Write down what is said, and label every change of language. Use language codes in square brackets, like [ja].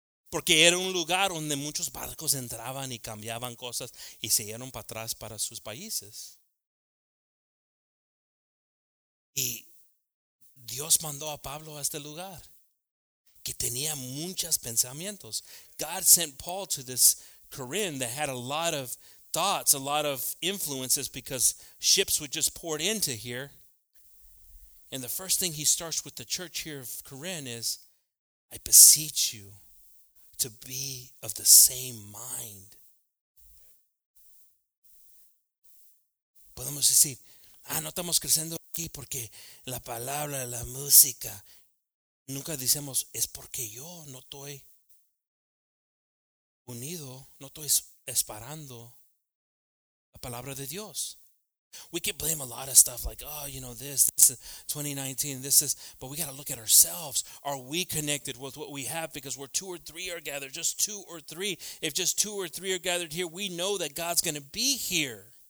[es] Porque era un lugar donde muchos barcos entraban y cambiaban cosas y se iban para atrás para sus países. Y Dios mandó a Pablo a este lugar que tenía muchos pensamientos. [en] God sent Paul to this Corinth that had a lot of thoughts, a lot of influences because ships would just pour into here. And the first thing he starts with the church here of Corinth is, I beseech you to be of the same mind. [es] Podemos decir, no estamos creciendo aquí porque la palabra, la música. Nunca decimos, es porque yo no estoy unido, no estoy esperando la palabra de Dios. [en] We can blame a lot of stuff like, this is 2019, this is, but we got to look at ourselves. Are we connected with what we have? Because where two or three are gathered, just two or three, if just two or three are gathered here, we know that God's going to be here.